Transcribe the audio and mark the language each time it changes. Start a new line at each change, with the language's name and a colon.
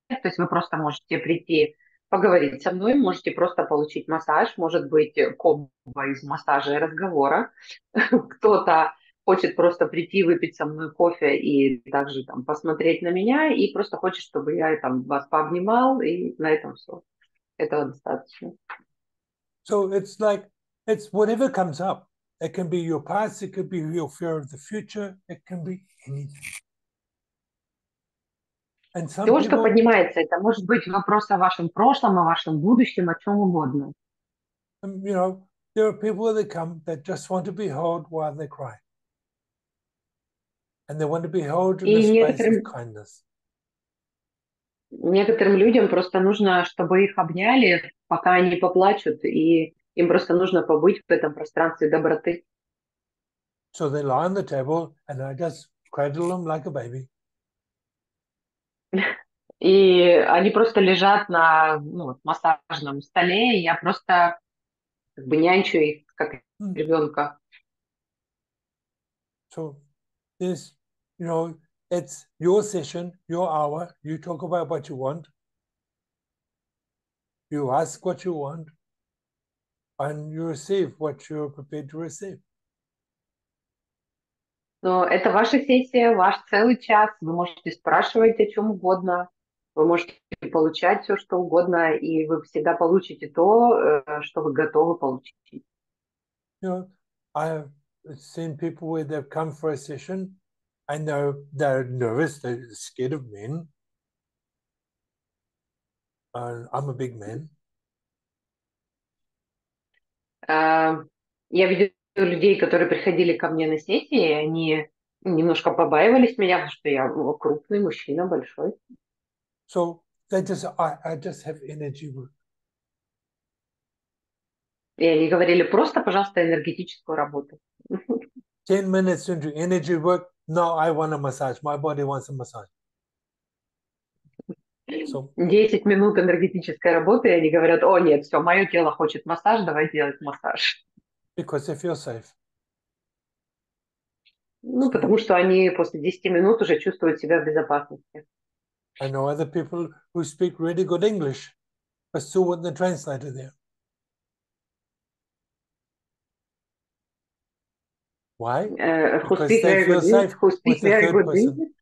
Russian: То есть вы просто можете прийти поговорить со мной, можете просто получить массаж, может быть, комбо из массажа и разговора. Кто-то хочет просто прийти, выпить со мной кофе и также там посмотреть на меня, и просто хочет, чтобы я там вас пообнимал, и на этом все. Этого достаточно.
English: So it's like, it's whatever comes up. It can be your past, it could be your fear of the future, it can be anything. And some people...
Russian: То, что поднимается, это может быть вопрос о вашем прошлом, о вашем будущем, о чем угодно.
English: You know, there are people that come that just want to be held while they cry. And they want to be held in
Russian: И
English: a space of kindness.
Russian: некоторым людям просто нужно, чтобы их обняли, пока они поплачут, и им просто нужно побыть в этом пространстве доброты.
English: So they lie on the table, and I just cradle them like a baby.
Russian: И они просто лежат на, ну, массажном столе, и я просто как бы нянчу их, как ребенка.
English: So this, you know, it's your session, your hour. You talk about what you want. You ask what you want, and you receive what you're prepared to receive.
Russian: Но это ваша сессия, ваш целый час. Вы можете спрашивать о чем угодно. Вы можете получать все, что угодно, и вы всегда получите то, что вы готовы получить.
English: You know, I've seen people where they've come for a session, and they're nervous, they're scared of men. I'm a big man.
Russian: Я видел людей, которые приходили ко мне на сессии, они немножко побаивались меня, потому что я крупный мужчина, большой.
English: So they just, I just have energy.
Russian: И они говорили, просто, пожалуйста, энергетическую работу.
English: 10 minutes into energy work, no, I want a massage. My body wants a massage. So.
Russian: 10 минут энергетической работы, и они говорят, о нет, все, мое тело хочет массаж, давай делать массаж.
English: Because they feel safe.
Russian: Ну, потому что они после 10 минут уже чувствуют себя в безопасности.
English: I know other people who speak really good English, but still want the translator there. Why? Because they feel safe with the third person.